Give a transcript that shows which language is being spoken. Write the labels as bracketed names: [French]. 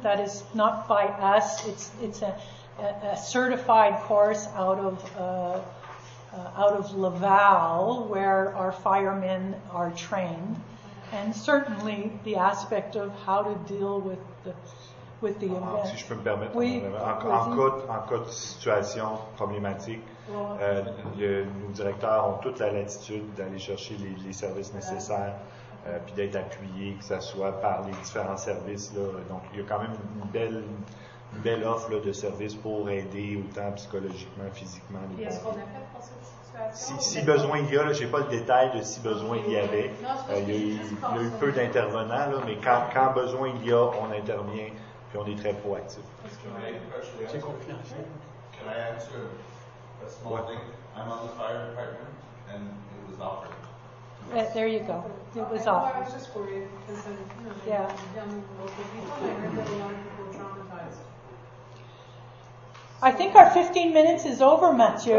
[English] That is not by us. It's a certified course out of Laval, where our firemen are trained, and certainly the aspect of how to deal with the event. [French] Si je peux me permettre, en cas de situation problématique, nos directeurs ont toute la latitude d'aller chercher les services nécessaires puis d'être appuyé, que ce soit par les différents services. Là. Donc, il y a quand même une belle offre là, de services pour aider autant psychologiquement, physiquement. Et est-ce qu'on a fait pour cette situation? Si besoin il y a, je n'ai pas le détail de si besoin il y avait. Il y a eu peu d'intervenants, là, mais quand besoin il y a, on intervient, puis on est très proactif. Est-ce qu'on a une question? [English] Can I answer a small thing? I'm on the fire department, and it was offered. There you go. It was offered. I was just worried, because young local people, I heard that a lot of people were traumatized. I think our 15 minutes is over, Mathieu.